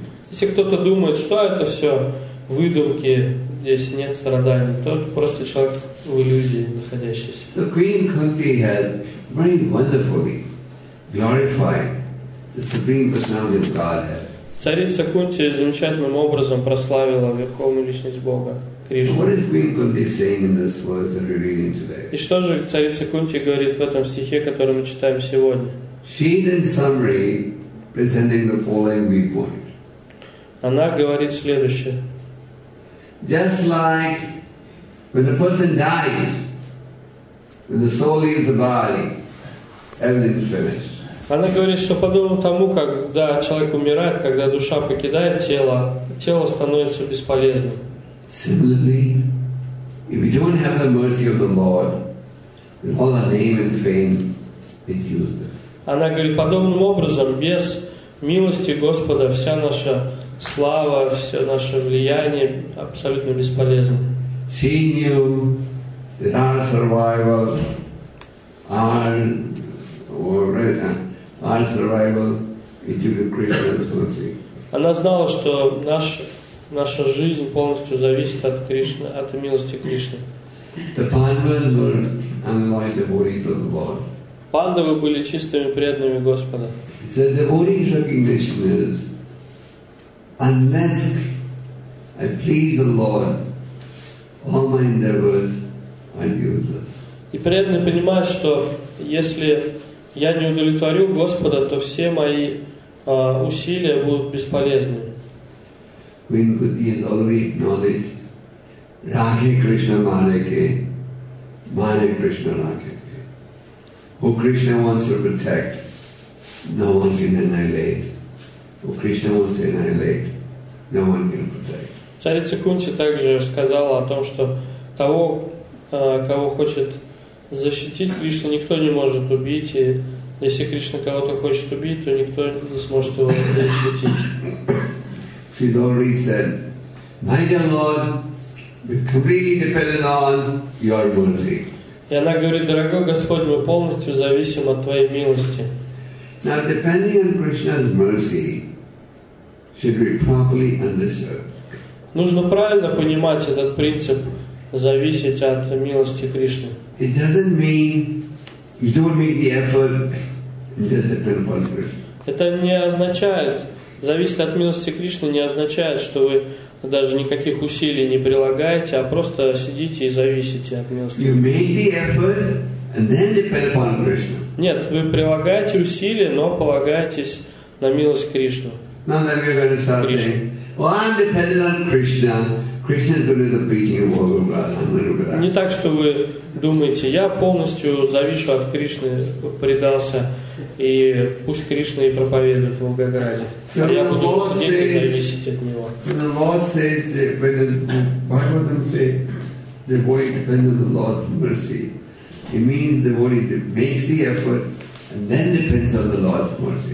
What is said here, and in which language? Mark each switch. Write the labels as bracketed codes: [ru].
[ru] Если кто-то думает, что это все выдумки, здесь нет страданий, то это просто человек в иллюзии находящийся. [en] So Queen Kunti has very wonderfully glorified the Supreme Personality of Godhead. [ru] Царица Кунти замечательным образом прославила Верховную Личность Бога, Кришну. [en] What is Queen Kunti saying in this verse that we're reading today? [ru] И что же царица Кунти говорит в этом стихе, который мы читаем сегодня? [en] She in summary presenting the following viewpoint. [ru] Она говорит следующее. [en] Just like when a person dies, when the soul leaves the body, everything is finished. [ru] Она говорит, что подобно тому, когда человек умирает, когда душа покидает тело, тело становится бесполезным. [en] Similarly, if we don't have the mercy of the Lord, then all our name and fame is useless. [ru] Она говорит, подобным образом, без милости Господа, вся наша слава, все наше влияние абсолютно бесполезно. [en] She knew that our survival, our survival is due to Krishna's mercy. [ru] Она знала, что наша жизнь полностью зависит от Кришны, от милости Кришны. [en] The Pandavas were unloyal devotees of the Lord. [ru] Пандавы были чистыми преданными Господа. [en] So the devotee's recognition is, unless I please the Lord, all my endeavors are useless. [ru] И преданный понимает, что если я не удовлетворю Господа, то все мои усилия будут бесполезны. [en] Queen Kunti has already acknowledged Radhe Krishna Madhake, Madhe Krishna Radhe, who Krishna wants to protect, no one can annihilate. Who Krishna wants to annihilate, no one can protect. [ru] Царица Кунти также сказала о том, что того, кого хочет защитить Кришна, никто не может убить, и если Кришна кого-то хочет убить, то никто не сможет его защитить. [en] She's already said, my dear Lord, we completely dependent on your mercy. [ru] И она говорит, дорогой Господь, мы полностью зависим от Твоей милости. [en] Now, depending on Krishna's mercy, should be properly understood. [ru] Нужно правильно понимать этот принцип, зависеть от милости Кришны. [en] It doesn't mean you don't make the effort and just depend upon Krishna. [ru] Это не означает, зависеть от милости Кришны не означает, что вы даже никаких усилий не прилагаете, а просто сидите и зависите от милости. [en] You make the effort and then depend upon Krishna. [ru] Нет, вы прилагаете усилия, но полагаетесь на милость Кришны. [en] Now then we're going to start saying, well, I'm dependent on Krishna. Krishna is going to do the preaching of all of us. [ru] Не так, что вы думаете, я полностью завишу от Кришны, предался, и пусть Кришна и проповедует в Волгограде. А я буду сидеть и зависеть от Него. [en] When the Lord says, when the Bhagavatam says, the devotee depends on the Lord's mercy, it means the devotee makes the effort and then depends on the Lord's mercy.